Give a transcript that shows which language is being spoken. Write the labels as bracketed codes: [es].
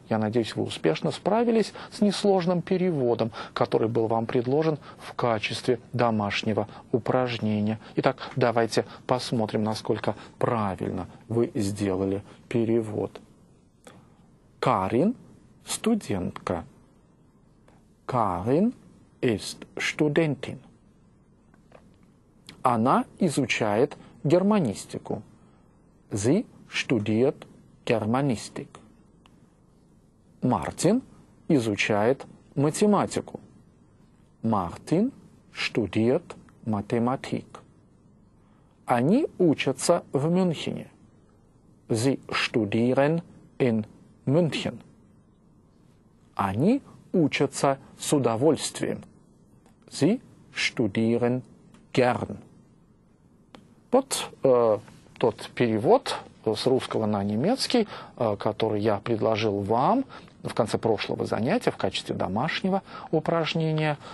[ru] Я надеюсь, вы успешно справились с несложным переводом, который был вам предложен в качестве домашнего упражнения. Итак, давайте посмотрим, насколько правильно вы сделали перевод. Карин – студентка. [de] Карин ist Studentin. [ru] Она изучает германистику. [de] Sie studiert Germanistik. [ru] Мартин изучает математику. [de] Мартин studiert Mathematik. [ru] Они учатся в Мюнхене. [de] Sie studieren in Мюнхен. [ru] Они учатся с удовольствием. [de] Sie studieren gern. [ru] Вот тот перевод с русского на немецкий, который я предложил вам в конце прошлого занятия в качестве домашнего упражнения.